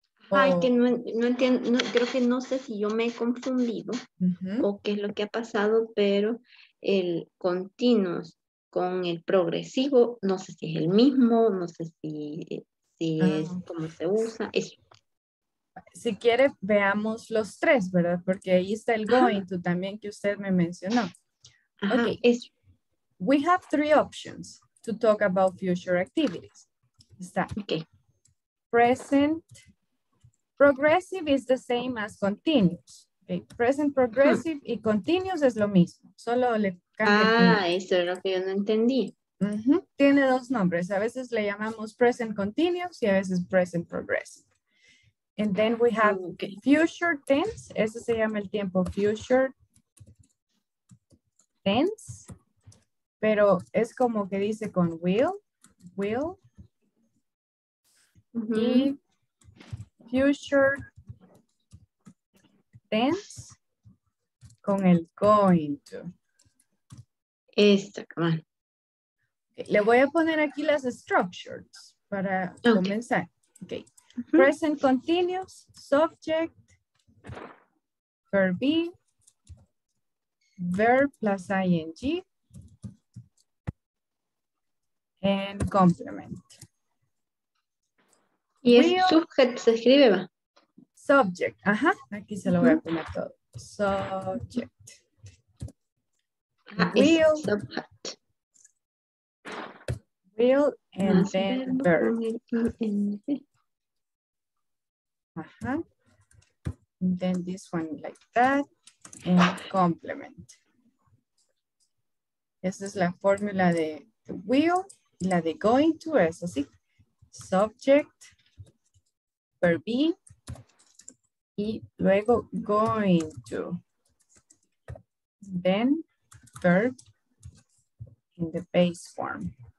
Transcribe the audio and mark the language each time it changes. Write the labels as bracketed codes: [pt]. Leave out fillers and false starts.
[es] Ay, que no entiendo, no, creo que no sé si yo me he confundido, uh-huh, o qué es lo que ha pasado, pero el continuous con el progresivo, no sé si es el mismo, no sé si... Sí, uh-huh, como se usa. Si quiere, veamos los tres, ¿verdad? Porque ahí está el going, uh-huh, to también que usted me mencionó. Uh-huh. Okay. [en] We have 3 options to talk about future activities. [es] Está. Okay. [en] Present progressive is the same as continuous. Okay. [es] Present progressive, uh-huh, y continuous es lo mismo. Solo le cambia. Ah, eso era lo que yo no entendí. Uh-huh. Tiene dos nombres. A veces le llamamos present continuous y a veces present progressive. [en] And then we have future tense. [es] Ese se llama el tiempo [en] future tense. [es] Pero es como que dice con will. Will. Uh-huh. Y future tense con el going to. Esta, [en] come on. [es] Le voy a poner aquí las structures para comenzar. Okay. [en] Present continuous, subject, verb be, verb plus ing, and complement. [es] ¿Y el sujeto se escribe, va? Subject, ajá, aquí se lo voy a poner todo. [en] Subject. Will. Subject. Will and then verb. Uh-huh. And then this one like that and complement. [es] Esa es la fórmula de will y la de going to es así. [en] Subject, verb be [es] y luego [en] going to. Then verb in the base form.